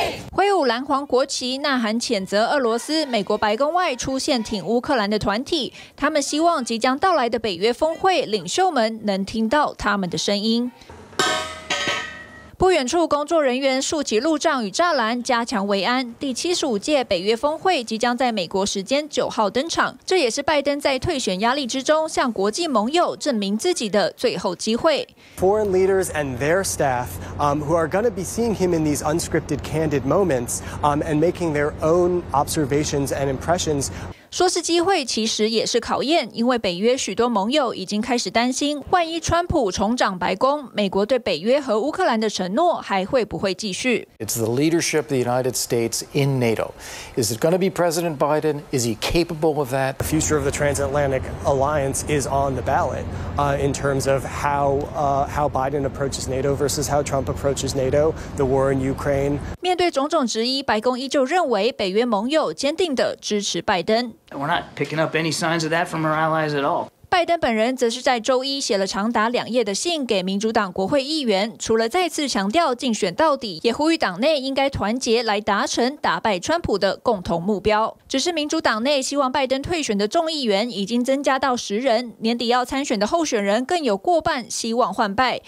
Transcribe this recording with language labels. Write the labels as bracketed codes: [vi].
[zh] 挥舞蓝黄国旗，呐喊谴责俄罗斯。美国白宫外出现挺乌克兰的团体，他们希望即将到来的北约峰会领袖们能听到他们的声音。不远处，工作人员竖起路障与栅栏，加强维安。第75届北约峰会即将在美国时间9号登场，这也是拜登在退选压力之中向国际盟友证明自己的最后机会。 [en] Foreign leaders and their staff, who are going to be seeing him in these unscripted, candid moments, and making their own observations and impressions. [zh] 说是机会，其实也是考验，因为北约许多盟友已经开始担心，万一川普重掌白宫，美国对北约和乌克兰的承诺还会不会继续？ [en] It's the leadership of the United States in NATO. Is it going to be President Biden? Is he capable of that? The future of the transatlantic alliance is on the ballot, in terms of how Biden approaches NATO versus how Trump approaches NATO, the war in Ukraine. [zh] 面对种种质疑，白宫依旧认为北约盟友坚定地支持拜登。 [en] We're not picking up any signs of that from our allies at all. [zh] 拜登本人则是在周一写了长达两页的信给民主党国会议员，除了再次强调竞选到底，也呼吁党内应该团结来达成打败川普的共同目标。只是民主党内希望拜登退选的众议员已经增加到10人，年底要参选的候选人更有过半希望换拜。